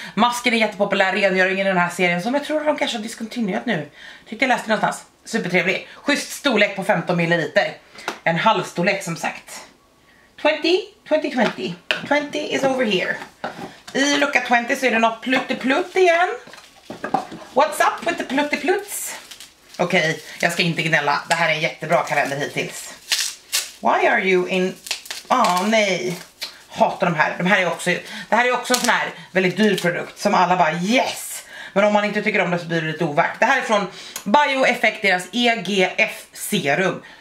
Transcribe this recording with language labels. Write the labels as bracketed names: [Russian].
[Swedish] Masken är jättepopulär, rengöring i den här serien, som jag tror de kanske har diskontinuerat nu, tyckte jag läste någonstans. Supertrevlig. Schysst storlek på 15 ml. En halv storlek som sagt. [English] 20 is over here. [Swedish] I lucka 20 så är det något pluttiplutt igen. [English] What's up with the pluttipluts? [Swedish] Okej, jag ska inte gnälla. Det här är en jättebra kalender hittills. [English] Why are you in... [Swedish] Ah, nej. Hatar de här. Det här är också en sån här väldigt dyr produkt som alla bara yes. Men om man inte tycker om det så blir det lite ovärt. Det här är från BioEffect, deras EGF-serum.